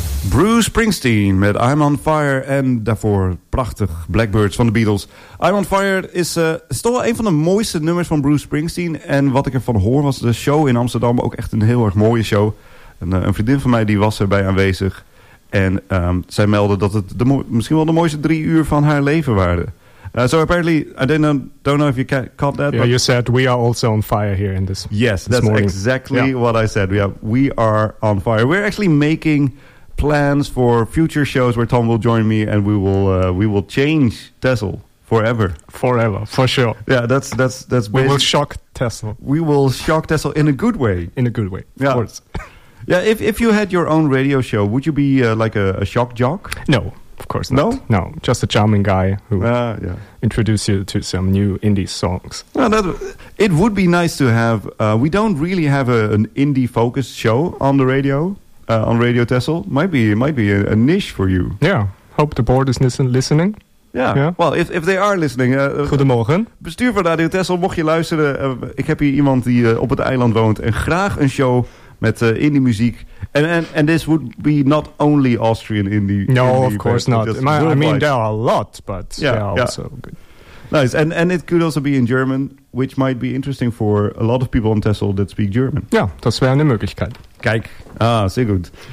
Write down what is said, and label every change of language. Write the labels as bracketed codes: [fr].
[nl] Bruce Springsteen met I'm on Fire en daarvoor prachtig Blackbirds van de Beatles. I'm on Fire is toch wel een van de mooiste nummers van Bruce Springsteen. En wat ik ervan hoor was de show in Amsterdam ook echt een heel erg mooie show. Een vriendin van mij die was erbij aanwezig. En zij meldde dat het misschien wel de mooiste 3 uur van haar leven waren. [en] So apparently, I don't know if you caught that. Yeah, but you said we are also on fire here in this. Yes, this that's morning. Exactly yeah. What I said. We are on fire. We're actually making plans for future shows where Tom will join me, and we will change Texel forever. Forever, for sure. Yeah, that's. We will shock Texel. We will shock Texel in a good way. In a good way, yeah. Of course. Yeah, if you had your own radio show, would you be like a shock jock? No. Of course not. No, just a charming guy who introduced you to some new indie songs. It would be nice to have. We don't really have an indie focused show on the radio. On Radio Texel, might be a niche for you. Yeah, hope the board is listening. Yeah. Well, if they are listening. [nl] Goedemorgen. Bestuur van Radio Texel, mocht je luisteren. Ik heb hier iemand die op het eiland woont en graag een show met indie muziek. [en] And this would be not only Austrian indie. No, indie, of course not. I mean, there are a lot, but also good. Nice. And it could also be in German, which might be interesting for a lot of people on Texel that speak German. [de] Ja, das wäre eine Möglichkeit. [nl] Kijk. [de] Ah, sehr gut.